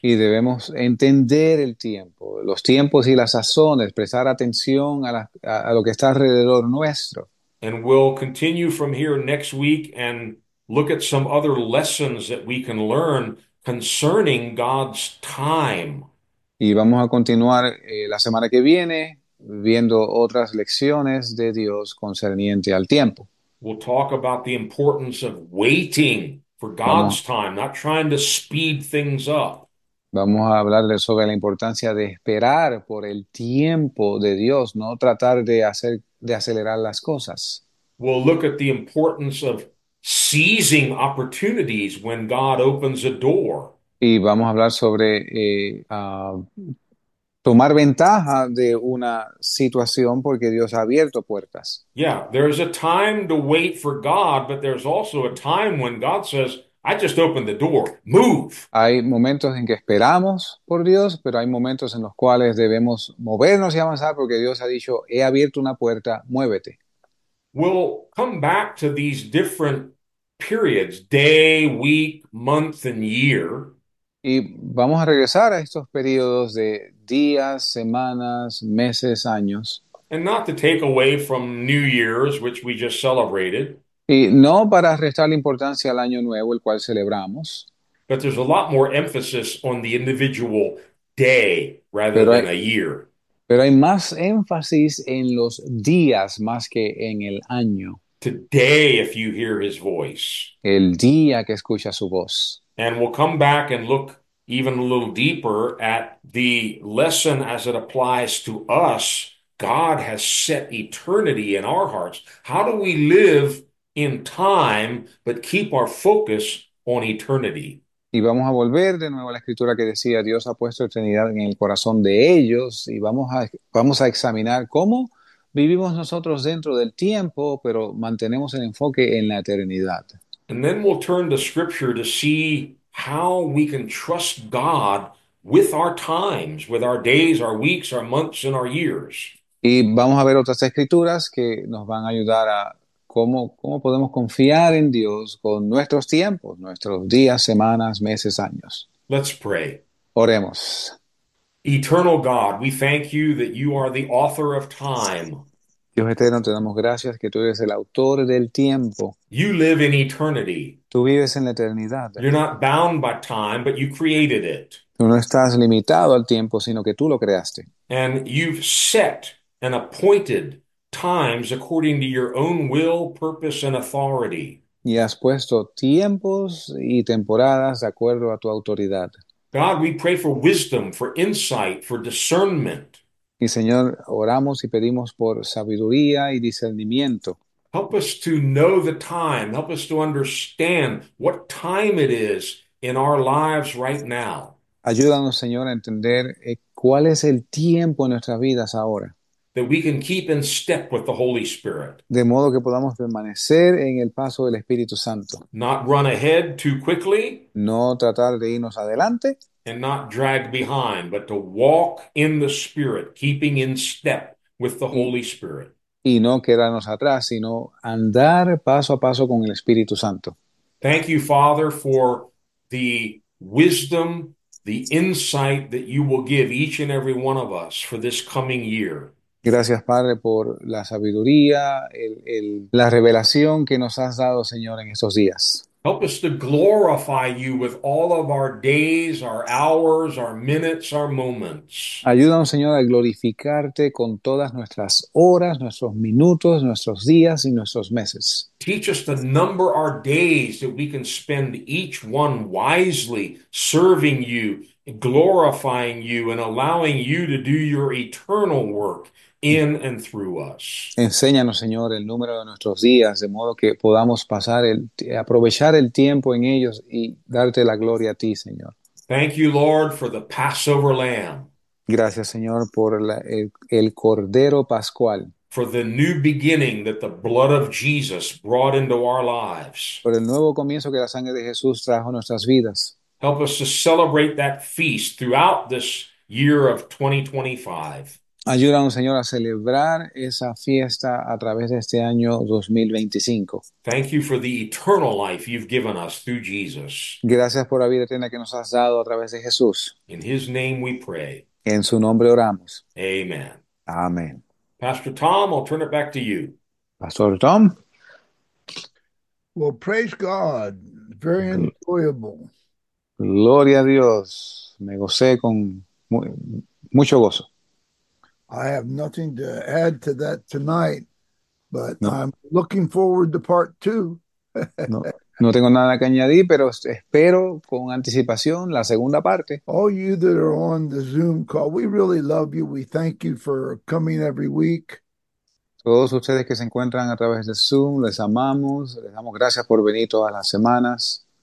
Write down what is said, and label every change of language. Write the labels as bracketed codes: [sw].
[es] Y debemos entender el tiempo, los tiempos y las sazones, prestar atención a lo que está alrededor nuestro. [en] And we'll continue from here next week and look at some other lessons that we can learn concerning God's time. [es] Y vamos a continuar la semana que viene viendo otras lecciones de Dios concerniente al tiempo. [en] We'll talk about the importance of waiting for [es] Vamos [en] God's time, not trying to speed things up. [es] A hablarle sobre la importancia de esperar por el tiempo de Dios, no tratar de acelerar las cosas. [en] We'll look at the importance of seizing opportunities when God opens a door. [es] Y vamos a hablar sobre tomar ventaja de una situación porque Dios ha abierto puertas. [en] Yeah, there's a time to wait for God, but there's also a time when God says, "I just opened the door. Move." [es] Hay momentos en que esperamos por Dios, pero hay momentos en los cuales debemos movernos y avanzar porque Dios ha dicho, he abierto una puerta, muévete. [en] We'll come back to these different periods, day, week, month, and year. [es] Y vamos a regresar a estos periodos de días, semanas, meses, años. [en] And not to take away from New Year's, which we just celebrated. [es] Y no para restarle importancia al año nuevo, el cual celebramos. [en] But there's a lot more emphasis on the individual day rather [es] Pero [en] than a year. [es] hay más énfasis en los días más que en el año. [en] Today, if you hear his voice. [es] El día que escucha su voz. [en] And we'll come back and look even a little deeper at the lesson as it applies to us. God has set eternity in our hearts. How do we live in time but keep our focus on eternity? [es] Y vamos a volver de nuevo a la escritura que decía, Dios ha puesto eternidad en el corazón de ellos y vamos a examinar cómo vivimos nosotros dentro del tiempo, pero mantenemos el enfoque en la eternidad. [en] And then we'll turn to scripture to see how we can trust God with our times, with our days, our weeks, our months, and our years. [es] Y vamos a ver otras escrituras que nos van a ayudar a cómo podemos confiar en Dios con nuestros tiempos, nuestros días, semanas, meses, años. [en] Let's pray. [es] Oremos. [en] Eternal God, we thank you that you are the author of time. [es] Dios eterno, te damos gracias que tú eres el autor del tiempo. [en] You live in eternity. [es] Tú vives en la eternidad. [en] You're not bound by time, but you created it. [es] Tú no estás limitado al tiempo, sino que tú lo creaste. [en] And you've set and appointed times according to your own will, purpose, and authority. [es] Y has puesto tiempos y temporadas de acuerdo a tu autoridad. [en] God, we pray for wisdom, for insight, for discernment. [es] Y Señor, oramos y pedimos por sabiduría y discernimiento. [en] Help us to know the time. Help us to understand what time it is in our lives right now. [es] Ayúdanos, Señor, a entender cuál es el tiempo en nuestras vidas ahora. [en] That we can keep in step with the Holy Spirit. [es] De modo que podamos permanecer en el paso del Espíritu Santo. [en] Not run ahead too quickly. [es] No tratar de irnos adelante. [en] and not drag behind, but to walk in the Spirit, keeping in step with the Holy Spirit. [es] Y no quedarnos atrás, sino andar paso a paso con el Espíritu Santo. [en] Thank you, Father, for the wisdom, the insight that you will give each and every one of us for this coming year. [es] Gracias, Padre, por la sabiduría, la revelación que nos has dado, Señor, en estos días. [en] Help us to glorify you with all of our days, our hours, our minutes, our moments. [es] Ayúdanos, Señor, a glorificarte con todas nuestras horas, nuestros minutos, nuestros días y nuestros meses. [en] Teach us to number our days that we can spend each one wisely serving you, glorifying you, and allowing you to do your eternal work in and through us. [es] Enséñanos, Señor, el número de nuestros días, de modo que podamos aprovechar el tiempo en ellos y darte la gloria a ti, Señor. [en] Thank you, Lord, for the Passover lamb. [es] Gracias, Señor, por el Cordero Pascual. [en] For the new beginning that the blood of Jesus brought into our lives. [es] Por el nuevo comienzo que la sangre de Jesús trajo a nuestras vidas. [en] Help us to celebrate that feast throughout this year of 2025. [es] Ayúdanos, Señor, a celebrar esa fiesta a través de este año 2025. [en] Thank you for the eternal life you've given us through Jesus. [es] Gracias por la vida eterna que nos has dado a través de Jesús. [en] In his name we pray. [es] En su nombre oramos. [en] Amen. [es] Amén. [en] Pastor Tom, I'll turn it back to you. [es] Pastor Tom. [en] Well, praise God. Very enjoyable. [es] Gloria a Dios. Me gocé con mucho gozo. [en] I have nothing to add to that tonight, but I'm looking forward to part two. [es] No tengo nada que añadir, pero espero con anticipación la segunda parte. [en] All you that are on the Zoom call, we really love you. We thank you for coming every week. [es] Todos ustedes que se encuentran a través de Zoom, les amamos, les damos gracias por venir todas las semanas.